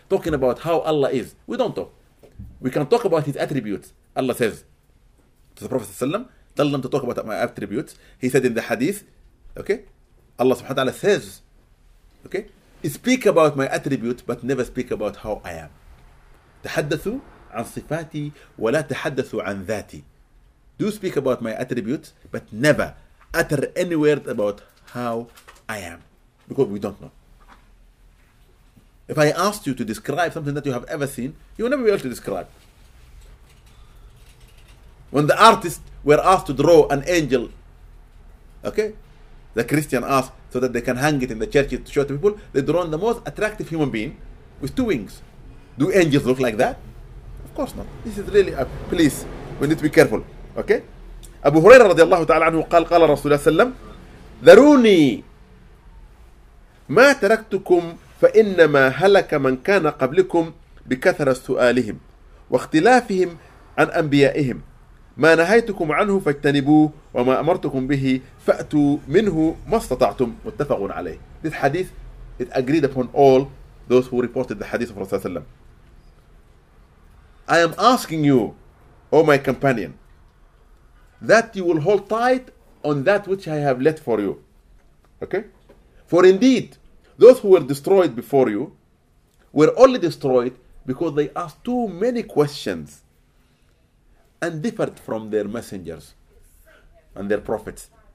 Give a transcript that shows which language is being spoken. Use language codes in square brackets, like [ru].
[en] Talking about how Allah is. We don't talk. We can talk about his attributes. Allah says to the Prophet, tell them to talk about my attributes. He said in the hadith, okay, Allah subhanahu wa ta'ala says, okay, speak about my attributes, but never speak about how I am. [ar] تحدثوا عن صفاتي ولا تحدثوا عن ذاتي. [en] Do speak about my attributes, but never utter any word about how I am, because we don't know. If I asked you to describe something that you have ever seen, you will never be able to describe. When the artist were asked to draw an angel, okay, the Christian asked so that they can hang it in the churches to show to people, they draw the most attractive human being with two wings. Do angels look like that? Of course not. This is really a please. We need to be careful. Okay? [ar] Abu Huraira radiallahu ta'ala anhu qala Rasulullah sallam, ذروني ما تركتكم فإنما هلك من كان قبلكم بكثرة سؤالهم واختلافهم عن أنبيائهم ما نهيتكم عنه فاجتنبوه وما أمرتكم به فأتوا منه ما استطعتم متفق عليه. [en] This hadith is agreed upon all those who reported the hadith of Rasulullah. I am asking you, O my companion, that you will hold tight on that which I have left for you. Okay? For indeed, those who were destroyed before you were only destroyed because they asked too many questions and differed from their messengers and their prophets.